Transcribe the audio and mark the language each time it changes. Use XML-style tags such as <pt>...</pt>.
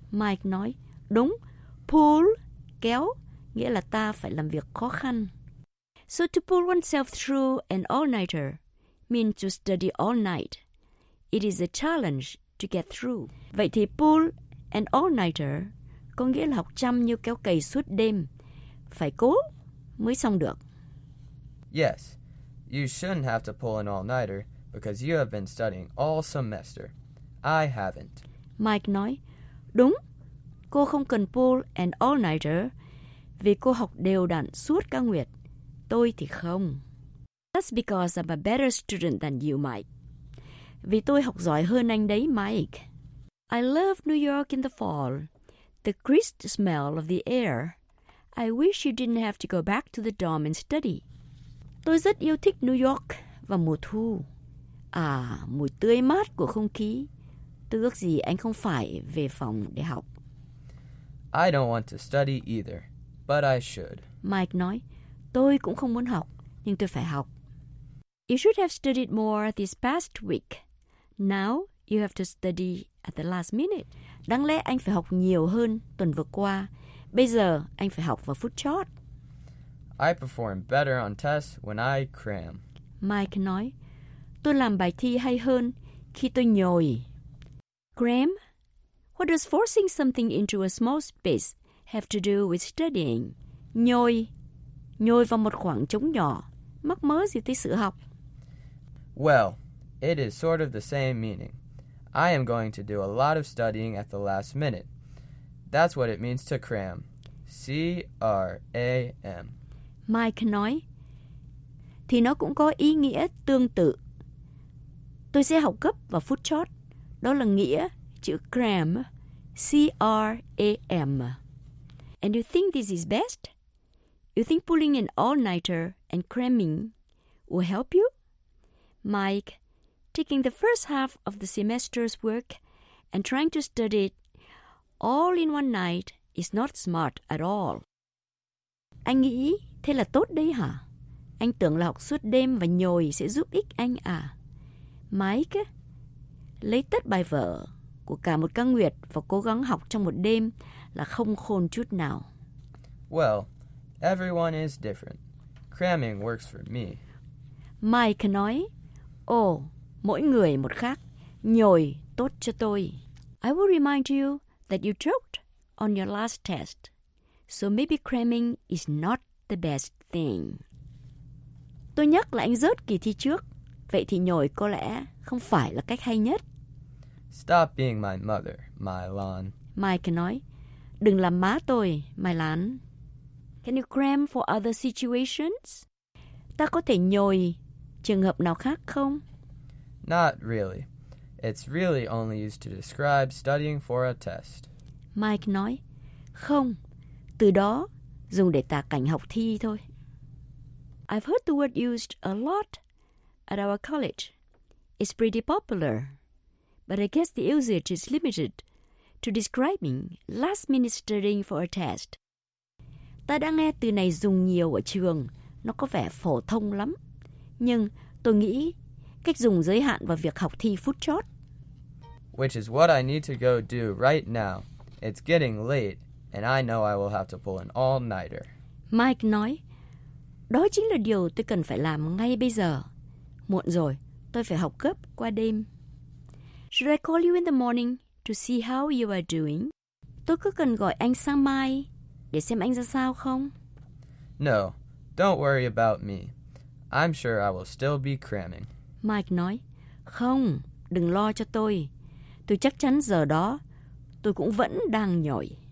<vi>Mike nói, đúng, pull, kéo, nghĩa là ta phải làm việc khó khăn.</vi> <en>So to pull oneself through an all-nighter means to study all night. It is a challenge to get through.</en> <vi>Vậy thì pull an all-nighter có nghĩa là học chăm như kéo cày suốt đêm. Phải cố mới xong được.</vi> <en>Yes, you shouldn't have to pull an all-nighter. Because you have been studying all semester. I haven't.</en> <vi>Mike nói, đúng, cô không cần pull an all-nighter vì cô học đều đặn suốt cả nguyệt. Tôi thì không.</vi> <en>That's because I'm a better student than you, Mike.</en> <vi>Vì tôi học giỏi hơn anh đấy, Mike.</vi> <en>I love New York in the fall. The crisp smell of the air. I wish you didn't have to go back to the dorm and study.</en> <vi>Tôi rất yêu thích New York vào mùa thu. À, mùi tươi mát của không khí. Tôi ước gì anh không phải về phòng để học.</vi> <en>I don't want to study either, but I should.</en> <vi>Mike nói, tôi cũng không muốn học, nhưng tôi phải học.</vi> <en>You should have studied more this past week. Now you have to study at the last minute.</en> <vi>Đáng lẽ anh phải học nhiều hơn tuần vừa qua. Bây giờ anh phải học vào phút chót.</vi> <en>I perform better on tests when I cram.</en> <vi>Mike nói, tôi làm bài thi hay hơn khi tôi nhồi.</vi> <en>Cram? What does forcing something into a small space have to do with studying?</en> <vi>Nhồi. Nhồi vào một khoảng trống nhỏ. Mắc mớ gì tới sự học?</vi> <en>Well, it is sort of the same meaning. I am going to do a lot of studying at the last minute. That's what it means to cram. C-R-A-M.</en> <vi>Mike nói, thì nó cũng có ý nghĩa tương tự Tôi sẽ học gấp và phút chót. Đó là nghĩa chữ cram, C-R-A-M.</vi> <en>And you think this is best? You think pulling an all-nighter and cramming will help you? Mike, taking the first half of the semester's work and trying to study it all in one night is not smart at all.</en> <vi>Anh nghĩ thế là tốt đấy hả? Anh tưởng là học suốt đêm và nhồi sẽ giúp ích anh à? Mike, lấy tất bài vở của cả một căn nguyệt và cố gắng học trong một đêm là không khôn chút nào.</vi> <en>Well, everyone is different. Cramming works for me.</en> <vi>Mike nói, mỗi người một khác, nhồi tốt cho tôi.</vi> <en>I will remind you that you choked on your last test. So maybe cramming is not the best thing.</en> <vi>Tôi nhắc là anh rớt kỳ thi trước, vậy thì nhồi có lẽ không phải là cách hay nhất.</vi> <en>Stop being my mother, Mylan.</en> <vi>Mike nói, đừng làm má tôi, Mylan.</vi> <en>Can you cram for other situations?</en> <vi>Ta có thể nhồi trường hợp nào khác không?</vi> <en>Not really. It's really only used to describe studying for a test.</en> <vi>Mike nói, không, từ đó dùng để tả cảnh học thi thôi.</vi> <en>I've heard the word used a lot at our college. It's pretty popular. But I guess the usage is limited to describing last-minute studying for a test.</en> <vi>Ta đã nghe từ này dùng nhiều ở trường. Nó có vẻ phổ thông lắm. Nhưng tôi nghĩ cách dùng giới hạn vào việc học thi phút chót.</vi> <en>Which is what I need to go do right now. It's getting late, and I know I will have to pull an all-nighter.</en> <vi>Mike nói, đó chính là điều tôi cần phải làm ngay bây giờ. Muộn rồi, tôi phải học gấp qua đêm.</vi> <en>Should I call you in the morning to see how you are doing?</en> <vi>Tôi có cần gọi anh sáng mai để xem anh ra sao không?</vi> <en>No, don't worry about me. I'm sure I will still be cramming.</en> <vi>Mike nói, không, đừng lo cho tôi. Tôi chắc chắn giờ đó, tôi cũng vẫn đang nhồi.</vi>